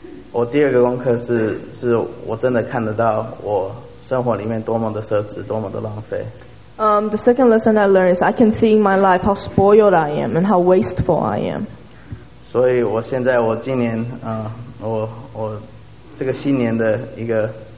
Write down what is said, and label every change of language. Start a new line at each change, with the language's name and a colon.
Chinese: 我第二个功课是我真的看得到我生活里面多么的奢侈，多么的浪费。
English: The second lesson I learned is I can see in my life how spoiled I am and how wasteful I am.
Chinese: 所以我现在我今年我这个新年的一个